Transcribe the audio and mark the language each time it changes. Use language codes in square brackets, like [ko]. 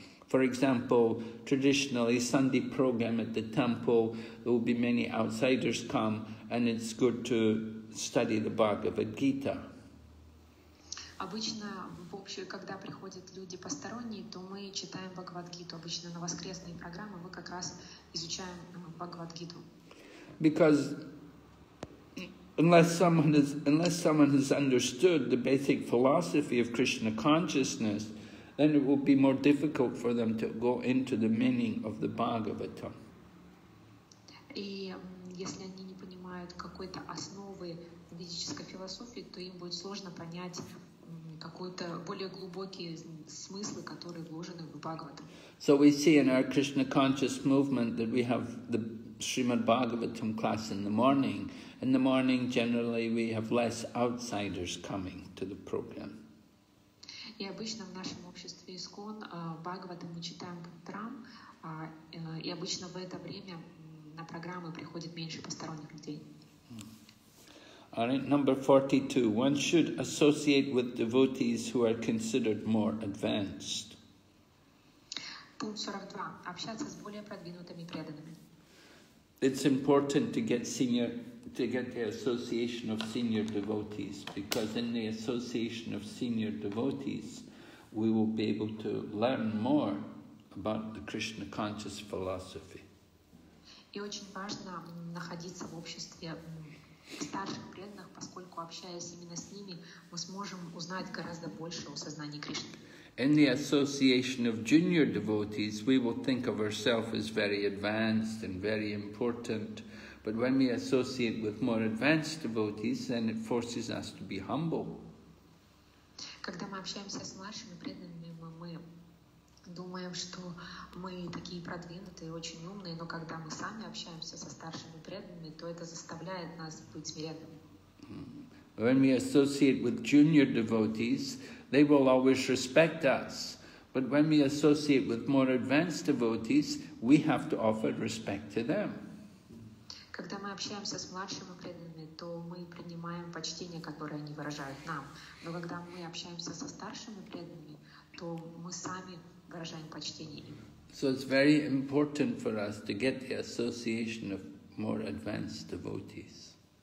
[en] For example, traditionally, Sunday program at the temple, there will be many outsiders come, and it's good to study the Bhagavad Gita. [ru] Обычно, в общем, когда приходят люди посторонние, то мы читаем Бхагавад Гиту. Обычно на воскресные программы мы как раз изучаем Бхагавад Гиту. [en] Because unless someone has understood the basic philosophy of Krishna consciousness, then it will be more difficult for them to go into the meaning of the Bhagavatam. [ru] И если они не понимают какой-то основы ведической философии, то им будет сложно понять какой-то более глубокие смыслы, которые вложены в Бхагаватам. [en] So we see in our Krishna conscious movement that we have the Srimad Bhagavatam class in the morning. In the morning, generally, we have less outsiders coming to the program. [ru] И обычно в нашем обществе ИСКОН Бхагаватам мы читаем по утрам, и обычно в это время на программы приходит меньше посторонних людей. [en] All right, number 42. One should associate with devotees who are considered more advanced. [ru] Пункт 42. Общаться с более продвинутыми преданными. [en] It's important to get the association of senior devotees, because in the association of senior devotees, we will be able to learn more about the Krishna conscious philosophy. [ru] И очень важно находиться в обществе старших преданных, поскольку общаясь именно с ними, мы сможем узнать гораздо больше о сознании Кришны. [en] In the association of junior devotees, we will think of ourselves as very advanced and very important. But when we associate with more advanced devotees, then it forces us to be humble. [ru] Когда мы общаемся с младшими преданными, мы думаем, что мы такие продвинутые, очень умные. Но когда мы сами общаемся со старшими преданными, то это заставляет нас быть смиренными. [en] When we associate with junior devotees, they will always respect us. But when we associate with more advanced devotees, we have to offer respect to them. [ru] Когда мы общаемся с младшими преданными, то мы понимаем почтение, которое они выражают нам. Но когда мы общаемся со старшими преданными, то мы сами выражаем почтение им. [en] So it's very important for us to get the association of more advanced devotees.